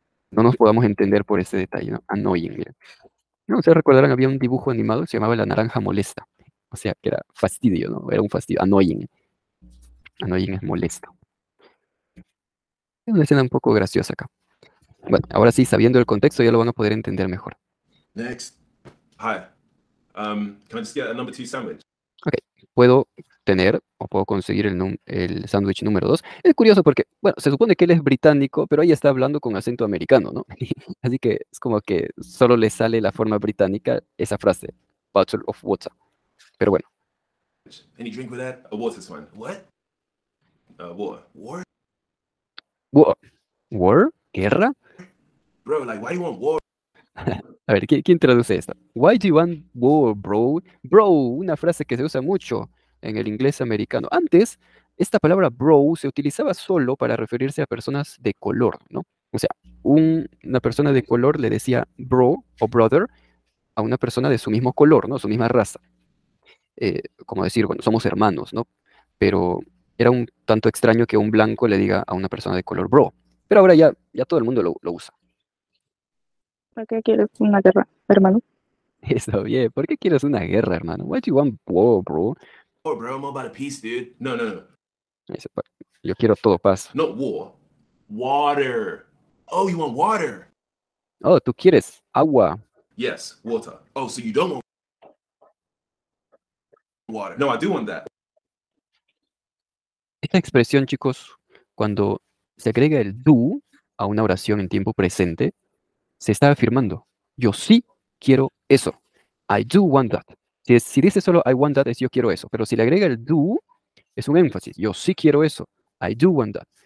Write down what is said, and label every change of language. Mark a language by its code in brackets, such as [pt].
[es] No nos podamos entender por ese detalle, ¿no? Annoying. Mira. No, ustedes recordarán, había un dibujo animado, se llamaba La Naranja Molesta. O sea, que era fastidio, ¿no? Era un fastidio. Annoying. Annoying es molesto. Una escena un poco graciosa acá. Bueno, ahora sí, sabiendo el contexto, ya lo van a poder entender mejor. [en] Next. Hi. Can I just get a number two sandwich? [es] Puedo tener o puedo conseguir el sándwich número 2. Es curioso porque, bueno, se supone que él es británico, pero ahí está hablando con acento americano, ¿no? Así que es como que solo le sale la forma británica esa frase, [en] bottle of water. [es] Pero bueno. [en] Any drink with that? A water's fine. What? Water. War? War? [es] ¿Guerra? [en] Bro, like, why do you want war? [es] A ver, ¿quién traduce esto? [en] Why do you want war, bro? [es] Bro, una frase que se usa mucho en el inglés americano. Antes, esta palabra bro se utilizaba solo para referirse a personas de color, ¿no? O sea, una persona de color le decía bro o brother a una persona de su mismo color, ¿no? Su misma raza. Como decir, bueno, somos hermanos, ¿no? Pero era un tanto extraño que un blanco le diga a una persona de color bro. Pero ahora ya todo el mundo lo usa. ¿Qué quieres una guerra, hermano? Está bien, ¿por qué quieres una guerra, hermano? [en] What do you want, bro? Oh, bro, I'm all about a peace, dude. No. [es] Yo quiero todo paz. [en] Not war. Water. Oh, you want water? [es] Oh, tú quieres agua. [en] Yes, water. Oh, so you don't want water. No, I do want that. [es] Esta expresión, chicos, cuando se agrega el do a una oración en tiempo presente, se está afirmando. Yo sí quiero eso. [en] I do want that. [es] Si dice solo [en] I want that, [es] es yo quiero eso. Pero si le agrega el do, es un énfasis. Yo sí quiero eso. I do want that.